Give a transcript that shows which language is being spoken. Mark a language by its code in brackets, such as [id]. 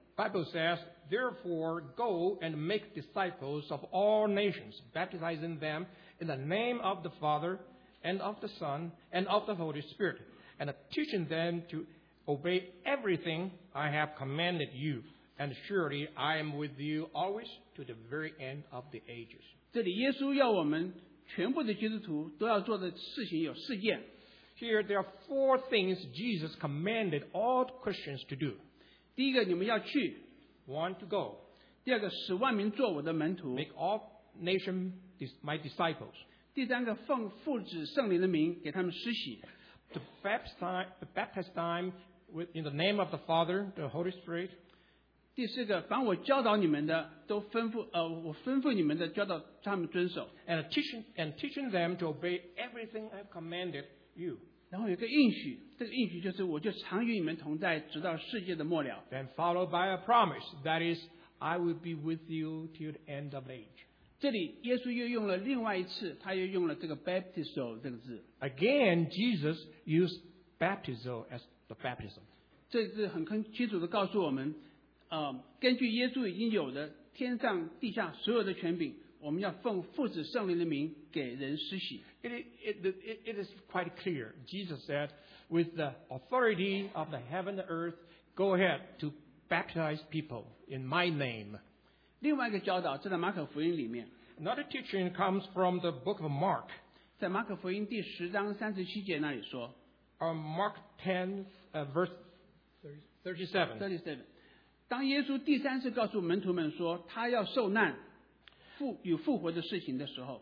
[en] Bible says, therefore, go and make disciples of all nations, baptizing them in the name of the Father and of the Son and of the Holy Spirit, and teaching them to obey everything I have commanded you. And surely I am with you always to the very end of the ages. [zh] 这里耶稣要我们全部的基督徒都要做的事情有四件。 [en] Here there are four things Jesus commanded all Christians to do. [zh] 第一个你们要去。 [en] One to go. [zh] 第二个使万民做我的门徒。 [en] Make all nations my disciples. [zh] 第三个奉父子圣灵的名给他们施洗。 [en] To baptize them in the name of the Father, the Holy Spirit. [zh] 第四个，凡我教导你们的，都吩咐我吩咐你们的，教导他们遵守。 [en] And teaching them to obey everything I've commanded you. [zh] 然后有一个应许，这个应许就是我就常与你们同在，直到世界的末了。 [en] Then followed by a promise, that is, I will be with you till the end of age. [zh] 这里耶稣又用了另外一次，他又用了这个 baptizo 这个字。 [en] Again, Jesus used baptizo as the baptism. [zh] 这是很清楚的告诉我们。根据耶稣已经有的天上地下所有的权柄，我们要奉父子圣灵的名给人施洗。 [en] It is quite clear. Jesus said, with the authority of the heaven and earth, go ahead to baptize people in my name. [zh] 另外一个教导在马可福音里面。 [en] Another teaching comes from the book of Mark. [zh] 在马可福音第十章三十七节那里说。 [en] Mark 10, verse 37. [zh] 当耶稣第三次告诉门徒们说他要受难与复活的事情的时候